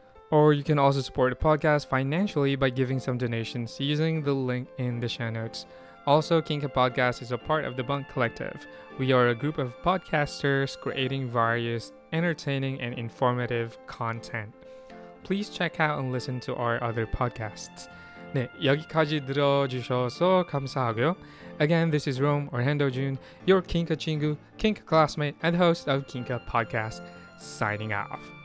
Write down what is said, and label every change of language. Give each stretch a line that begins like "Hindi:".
English: Or you can also support a podcast financially by giving some donations using the link in the show notes. Also, Kinka Podcast is a part of the Bunk Collective. We are a group of podcasters creating various entertaining and informative content. Please check out and listen to our other podcasts.
Korean: 네, 여기까지 들어주셔서 감사하고요.
English: Again, this is Rome Orhando Jun, your Kinka 친구, Kinka classmate, and host of Kinka Podcast, signing off.